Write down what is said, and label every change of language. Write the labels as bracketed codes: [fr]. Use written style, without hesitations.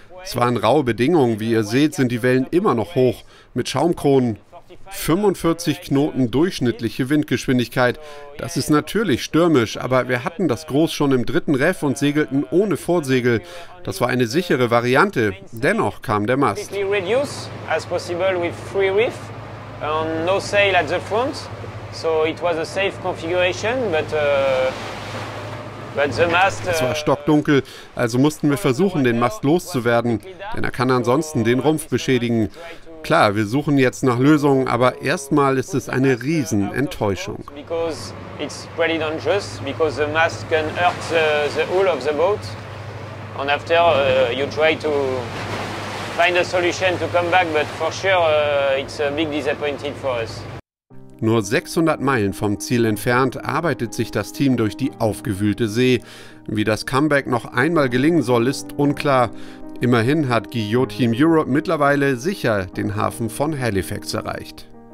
[de] Es waren raue Bedingungen, wie ihr seht, sind die Wellen immer noch hoch, mit Schaumkronen. 45 Knoten durchschnittliche Windgeschwindigkeit. Das ist natürlich stürmisch, aber wir hatten das Gros schon im dritten Reff und segelten ohne Vorsegel. Das war eine sichere Variante. Dennoch kam der Mast. [en] Reduce as possible with free reef, no sail at the front. So it was a safe configuration, but the mast. [de] Es war stockdunkel, also mussten wir versuchen, den Mast loszuwerden, denn er kann ansonsten den Rumpf beschädigen. Klar, wir suchen jetzt nach Lösungen, aber erstmal ist es eine Riesenenttäuschung. [en] Because it's pretty dangerous because the mast can hurt the hull of the boat. And after you try to find a solution to come back, but for sure it's a big disappointment for us. [de] Nur 600 Meilen vom Ziel entfernt arbeitet sich das Team durch die aufgewühlte See. Wie das Comeback noch einmal gelingen soll, ist unklar. Immerhin hat Guillot Team Europe mittlerweile sicher den Hafen von Halifax erreicht.